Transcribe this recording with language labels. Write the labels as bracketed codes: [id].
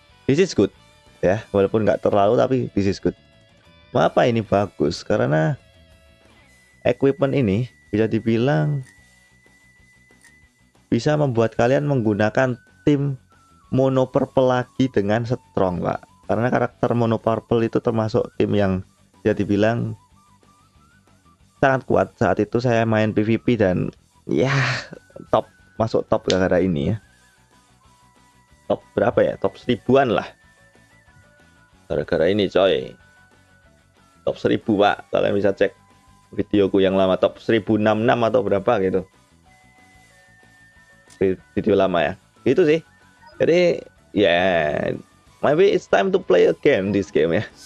[en] This is good ya, [id] walaupun nggak terlalu tapi [en] this is good. [id] Mengapa ini bagus? Karena equipment ini bisa dibilang bisa membuat kalian menggunakan tim mono purple lagi dengan strong, Pak. Karena karakter mono purple itu termasuk tim yang dia dibilang sangat kuat. Saat itu saya main PvP dan ya top, masuk top gara-gara ini ya. Top berapa ya? Top seribuan lah. Gara-gara ini coy. Top 1000, Pak. Kalian bisa cek videoku yang lama, top 1066 atau berapa gitu. Video lama ya. Gitu sih. [en] Jadi ya yeah. Maybe it's time to play again this game ya.